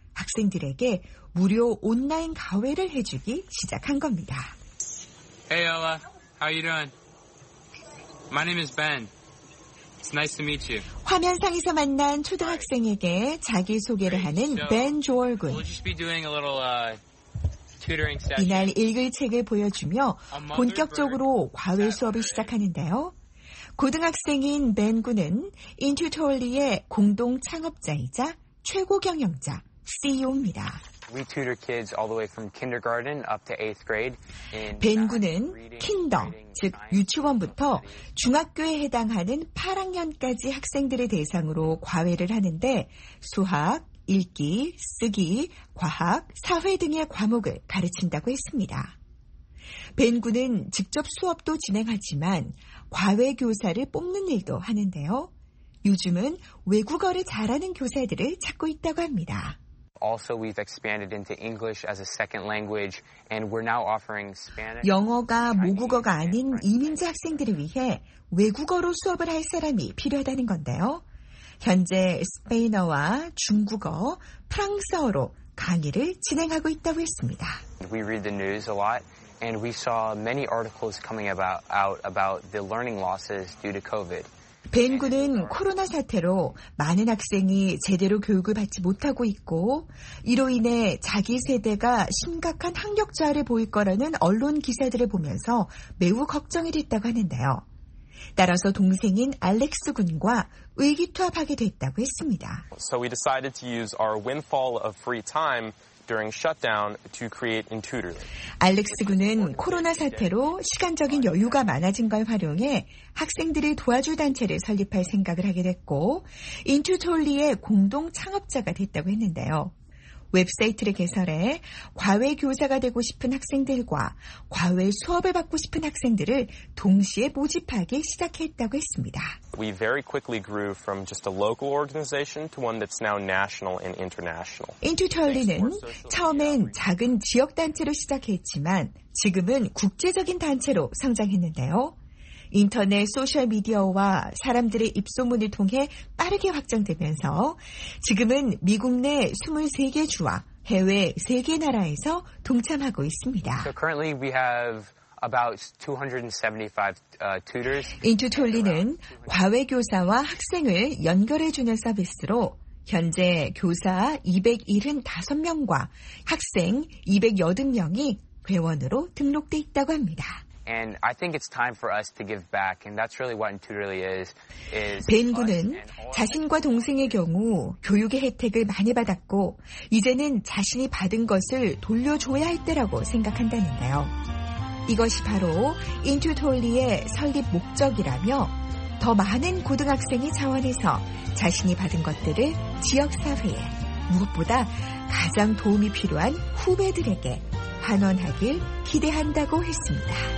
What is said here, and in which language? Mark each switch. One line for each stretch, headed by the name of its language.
Korean: 학생들에게 무료 온라인 과외를 해주기 시작한 겁니다.
English: Hey, Ella. How you doing? My name is Ben. It's nice to meet you.
Korean: 화면상에서 만난 초등학생에게 자기소개를 하는 벤 조얼군.
English: We'll just be doing a little, tutoring session.
Korean: 이날 읽을 책을 보여주며 본격적으로 과외 수업을 시작하는데요. 고등학생인 벤 군은 인튜토얼리의 공동 창업자이자 최고 경영자, CEO입니다.
English: We tutor kids all the way from kindergarten up to eighth grade.
Korean: 벤 군은 킨더, 즉 유치원부터 중학교에 해당하는 8학년까지 학생들을 대상으로 과외를 하는데 수학, 읽기, 쓰기, 과학, 사회 등의 과목을 가르친다고 했습니다. 벤 군은 직접 수업도 진행하지만 과외 교사를 뽑는 일도 하는데요. 요즘은 외국어를 잘하는 교사들을 찾고 있다고 합니다.
English: Also, we've expanded into English as a second language, and we're now offering Spanish.
Korean: 영어가 모국어가 아닌 이민자 학생들을 위해 외국어로 수업을 할 사람이 필요하다는 건데요. 현재 스페인어와 중국어, 프랑스어로 강의를 진행하고 있다고 했습니다.
English: We read the news a lot, and we saw many articles coming out about the learning losses due to COVID.
Korean: 벤 군은 코로나 사태로 많은 학생이 제대로 교육을 받지 못하고 있고 이로 인해 자기 세대가 심각한 학력 저하를 보일 거라는 언론 기사들을 보면서 매우 걱정이 됐다고 하는데요. 따라서 동생인 알렉스 군과 의기투합하게 됐다고 했습니다.
English: So we decided to use our windfall of free time during shutdown to create Intutorly.
Korean: 알렉스 군은 코로나 사태로 시간적인 여유가 많아진 걸 활용해 학생들을 도와줄 단체를 설립할 생각을 하게 됐고 Intutorly의 공동 창업자가 됐다고 했는데요. 웹사이트를 개설해 과외 교사가 되고 싶은 학생들과 과외 수업을 받고 싶은 학생들을 동시에 모집하기 시작했다고 했습니다.
English: We very quickly grew from just a local organization to one that's now national and international.
Korean: 인튜토얼리는 처음엔 작은 지역 단체로 시작했지만 지금은 국제적인 단체로 성장했는데요. 인터넷 소셜미디어와 사람들의 입소문을 통해 빠르게 확장되면서 지금은 미국 내 23개 주와 해외 3개 나라에서 동참하고 있습니다.
English: So currently we have about 275 tutors.
Korean: 인튜토얼리는 과외 교사와 학생을 연결해주는 서비스로 현재 교사 275명과 학생 280명이 회원으로 등록돼 있다고 합니다.
English: And I think it's time for us to give back, and that's really what Intutorly is.
Korean: 벤 군은 자신과 동생의 경우 교육의 혜택을 많이 받았고 이제는 자신이 받은 것을 돌려줘야 할 때라고 생각한다는데요. 이것이 바로 Intutorly의 설립 목적이라며 더 많은 고등학생이 자원해서 자신이 받은 것들을 지역 사회에 무엇보다 가장 도움이 필요한 후배들에게 환원하길 기대한다고 했습니다.